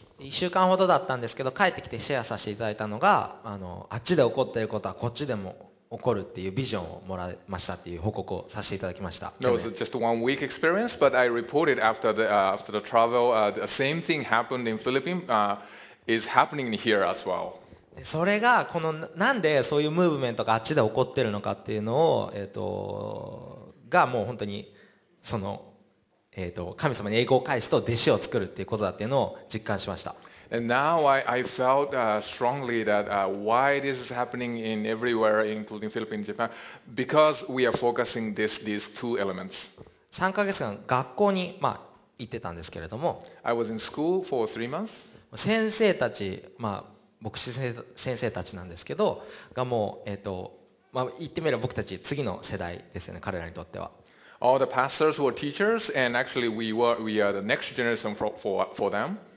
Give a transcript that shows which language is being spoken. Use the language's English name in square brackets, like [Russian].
[Japanese] 1週間ほどだったんですけど、帰ってきてシェアさせていただいたのが、あっちで起こっていることはこっちでも起こるっていうビジョンをもらいましたっていう報告をさせていただきました。 [English] That was just one week experience, but I reported after the, after the travel, the same thing happened in Philippines, is happening here as well. [Japanese] それがこのなんでそういうムーブメントがあっちで起こってるのかっていうのを、がもう本当にその、神様に栄光を返すと弟子を作るっていうことだっていうのを実感しました。 [English] And now I felt strongly that why this is happening in everywhere, including Philippines, Japan, because we are focusing this, these two elements. [Japanese] 3ヶ月間学校に、まあ、行ってたんですけれども、 [English] I was in school for three months. [Japanese] 先生たち、まあ牧師先生たちなんですけど、がもう、まあ、言ってみれば僕たち次の世代ですよね、彼らにとっては。 [English] All the pastors were teachers, and actually we are the next generation for them.